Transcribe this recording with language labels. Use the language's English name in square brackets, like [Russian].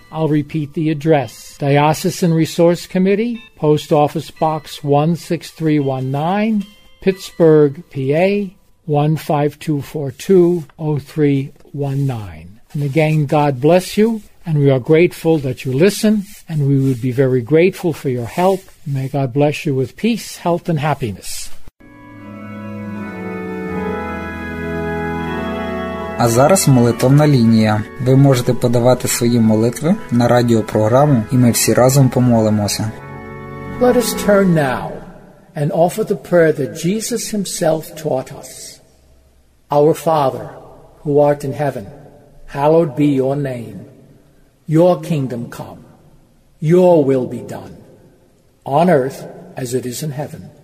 [English] I'll repeat the address. Diocesan Resource Committee, Post Office Box 16319, Pittsburgh, PA, 15242-0319. And again, God bless you, and we are grateful that you listen, and we would be very grateful for your help. May God bless you with peace, health, and happiness. [Ukrainian] А зараз молитовна лінія. Ви можете подавати свої молитви на радіопрограму, і ми всі разом помолимося. [English] Let us turn now and offer the prayer that Jesus himself taught us. Our Father, who art in heaven, hallowed be your name. Your kingdom come, your will be done, on earth as it is in heaven.